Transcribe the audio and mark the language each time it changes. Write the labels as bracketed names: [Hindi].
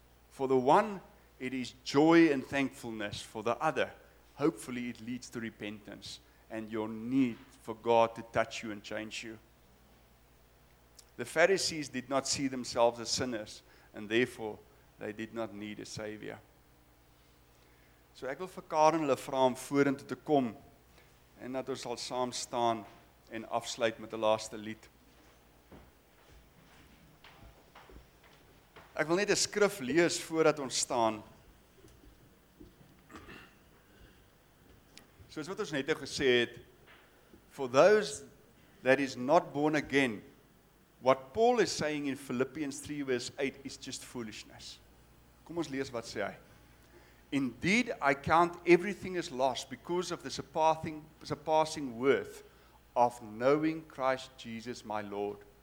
[English] For the one, it is joy and thankfulness. For the other, hopefully it leads to repentance and your need for God to touch you and change you. The Pharisees did not see themselves as sinners and therefore they did not need a savior. [Afrikaans] So ek wil vir Karen hulle vra om vorentoe te kom en dat ons sal saam staan en afsluit met 'n laaste lied. Ek wil net 'n skrif lees voordat ons staan. Soos wat ons net nou gesê het, [English] for those that is not born again, what Paul is saying in Philippians 3 verse 8 is just foolishness. [Afrikaans] Kom ons lees wat sê hy. [English] Indeed, I count everything as loss because of the surpassing worth of knowing Christ Jesus my Lord.